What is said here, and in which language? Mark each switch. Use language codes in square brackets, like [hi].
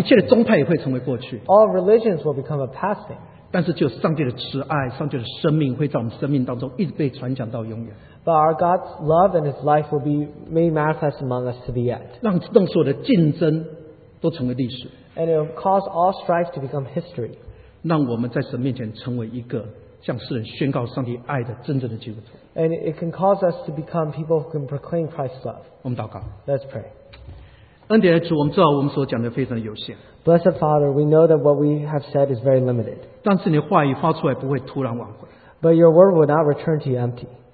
[zh] 一切的宗派也会成为过去. [en] All religions will become a past thing. [zh] 但是只有上帝的慈爱, 上帝的生命会在我们生命当中一直被传讲到永远. [en] But our God's love and His life will be made manifest among us to the end. [zh] 让动所有的竞争都成为历史. [en] And it will cause all strife to become history. [zh] 让我们在神面前成为一个 [en] And it can cause us to become people who can proclaim Christ's love. Let's pray. [zh] 恩典的主, [en] Blessed Father, we know that what we have said is very limited. But your word will not return to you empty.